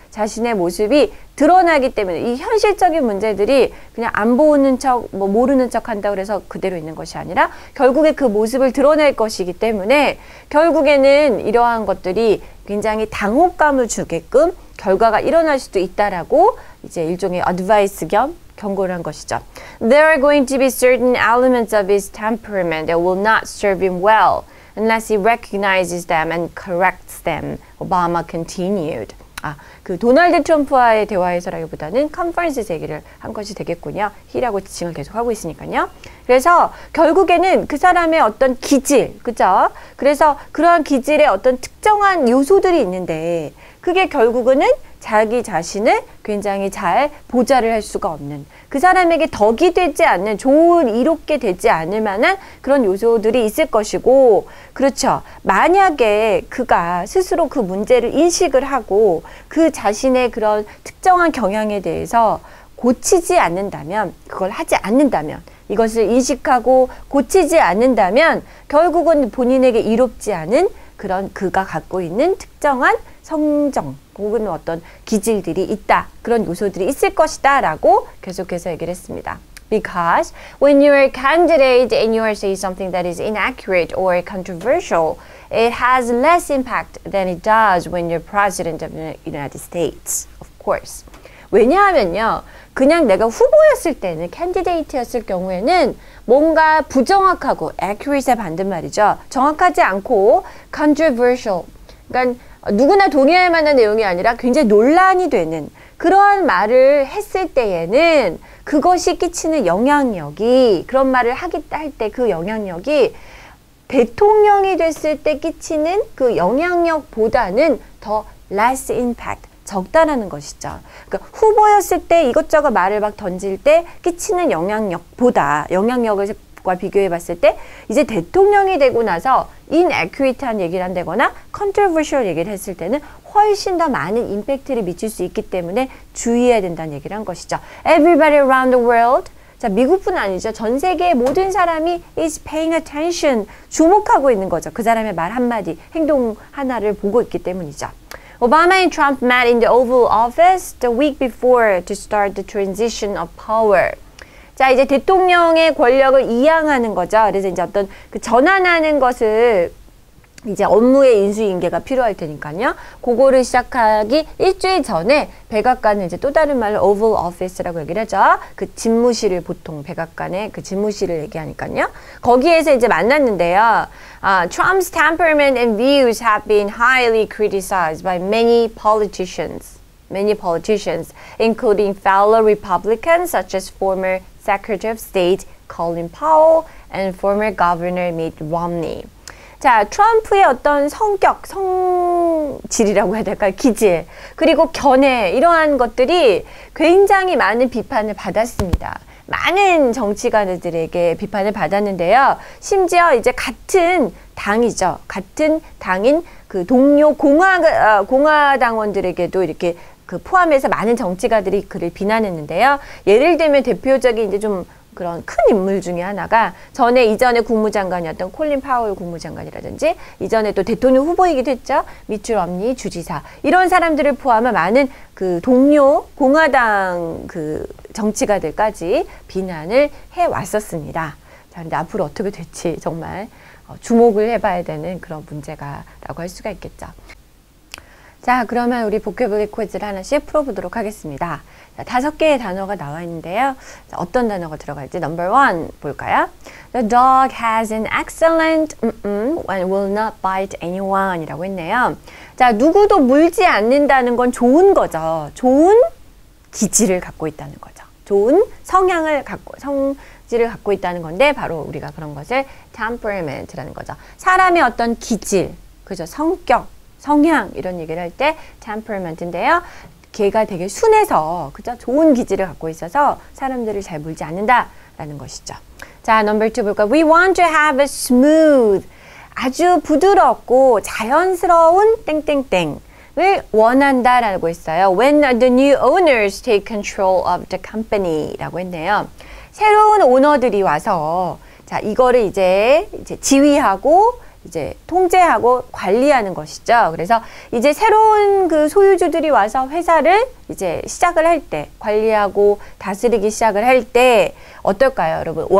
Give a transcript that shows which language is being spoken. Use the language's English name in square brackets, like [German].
[Korean] 자신의 모습이 드러나기 때문에 이 현실적인 문제들이 그냥 안 보는 척 뭐 모르는 척 한다고 그래서 그대로 있는 것이 아니라 결국에 그 모습을 드러낼 것이기 때문에 결국에는 이러한 것들이 굉장히 당혹감을 주게끔 결과가 일어날 수도 있다라고 이제 일종의 advice 겸 경고를 한 것이죠. [English] There are going to be certain elements of his temperament that will not serve him well unless he recognizes them and corrects them. Obama continued. [Korean] 아, 그 도널드 트럼프와의 대화에서라기보다는 컨퍼런스 얘기를 한 것이 되겠군요. He라고 지칭을 계속하고 있으니까요. 그래서 결국에는 그 사람의 어떤 기질, 그죠? 그래서 그러한 기질의 어떤 특정한 요소들이 있는데 그게 결국은 자기 자신을 굉장히 잘 보좌를 할 수가 없는 그 사람에게 덕이 되지 않는 좋은 이롭게 되지 않을 만한 그런 요소들이 있을 것이고 그렇죠. 만약에 그가 스스로 그 문제를 인식을 하고 그 자신의 그런 특정한 경향에 대해서 고치지 않는다면 그걸 하지 않는다면 이것을 인식하고 고치지 않는다면 결국은 본인에게 이롭지 않은 그런 그가 갖고 있는 특정한 성정 혹은 어떤 기질들이 있다. 그런 요소들이 있을 것이다. 라고 계속해서 얘기를 했습니다. [English] Because when you are a candidate and you are saying something that is inaccurate or controversial, it has less impact than it does when you're president of the United States, of course. [Korean] 왜냐하면요, 그냥 내가 후보였을 때는, 캔디데이트였을 경우에는 뭔가 부정확하고, accurate의 반대말이죠. 정확하지 않고, controversial. 그러니까 누구나 동의할 만한 내용이 아니라 굉장히 논란이 되는 그러한 말을 했을 때에는 그것이 끼치는 영향력이, 그런 말을 하기 할때그 영향력이 대통령이 됐을 때 끼치는 그 영향력보다는 더 less impact, 적다라는 것이죠. 그러니까 후보였을 때 이것저것 말을 막 던질 때 끼치는 영향력보다, 영향력과 비교해 봤을 때 이제 대통령이 되고 나서 inaccurate한 얘기를 한다거나 controversial 얘기를 했을 때는 훨씬 더 많은 임팩트를 미칠 수 있기 때문에 주의해야 된다는 얘기를 한 것이죠. [English] Everybody around the world. [Korean] 자, 미국뿐 아니죠. 전 세계의 모든 사람이 [English] is paying attention. [Korean] 주목하고 있는 거죠. 그 사람의 말 한마디, 행동 하나를 보고 있기 때문이죠. [English] Obama and Trump met in the Oval Office the week before to start the transition of power. [Korean] 자, 이제 대통령의 권력을 이양하는 거죠. 그래서 이제 어떤 그 전환하는 것을 이제 업무의 인수인계가 필요할 테니까요. 그거를 시작하기 일주일 전에 백악관을 이제 또 다른 말로 Oval Office라고 얘기를 하죠. 그 집무실을 보통 백악관의 그 집무실을 얘기하니까요. 거기에서 이제 만났는데요. [English] Trump's temperament and views have been highly criticized by many politicians, including fellow Republicans such as former Secretary of State Colin Powell and former Governor Mitt Romney. [Korean] 자, 트럼프의 어떤 성격, 성질이라고 해야 될까요? 기질. 그리고 견해. 이러한 것들이 굉장히 많은 비판을 받았습니다. 많은 정치가들에게 비판을 받았는데요. 심지어 이제 같은 당이죠. 같은 당인 그 동료 공화당원들에게도 이렇게 그 포함해서 많은 정치가들이 그를 비난했는데요. 예를 들면 대표적인 이제 좀 그런 큰 인물 중에 하나가 이전에 국무장관이었던 콜린 파월 국무장관이라든지 이전에 또 대통령 후보이기도 했죠. 미트 롬니 주지사. 이런 사람들을 포함한 많은 그 동료 공화당 그 정치가들까지 비난을 해왔었습니다. 자, 근데 앞으로 어떻게 될지 정말 주목을 해봐야 되는 그런 문제가라고 할 수가 있겠죠. 자, 그러면 우리 보케블리 퀴즈를 하나씩 풀어보도록 하겠습니다. 5개의 단어가 나와 있는데요. 어떤 단어가 들어갈지 넘버 원 볼까요? [English] The dog has an excellent and will not bite anyone이라고 했네요. [Korean] 자, 누구도 물지 않는다는 건 좋은 거죠. 좋은 기질을 갖고 있다는 거죠. 좋은 성질을 갖고 있다는 건데 바로 우리가 그런 것을 temperament라는 거죠. 사람의 어떤 기질, 그죠? 성격, 성향 이런 얘기를 할때 temperament인데요. 걔가 되게 순해서, 그죠? 좋은 기질을 갖고 있어서 사람들을 잘 물지 않는다라는 것이죠. 자, number two 볼까요? [English] We want to have a smooth, [Korean] 아주 부드럽고 자연스러운 땡땡땡을 원한다라고 했어요. [English] When the new owners take control of the company라고 했네요. [Korean] 새로운 오너들이 와서, 자, 이거를 이제 지휘하고, 이제 통제하고 관리하는 것이죠. 그래서 이제 새로운 그 소유주들이 와서 회사를 이제 시작을 할 때, 관리하고 다스리기 시작을 할 때, 어떨까요, 여러분?